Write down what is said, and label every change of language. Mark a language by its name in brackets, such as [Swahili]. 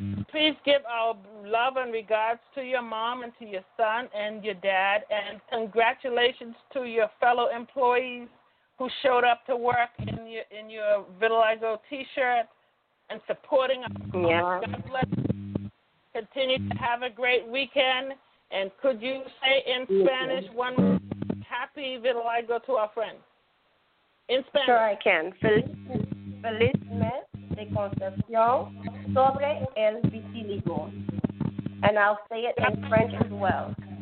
[English] Please give our love and regards to your mom and to your son and your dad, and congratulations to your fellow employees who showed up to work in your Vitiligo T-shirt and supporting us. Yeah. God bless you. Continue to have a great weekend. And could you say in Spanish one more happy Vitiligo to our friends? In Spanish. Sure, I can. [Spanish] Feliz mes de concepción sobre el vitiligo. [English] And I'll say it in French as well.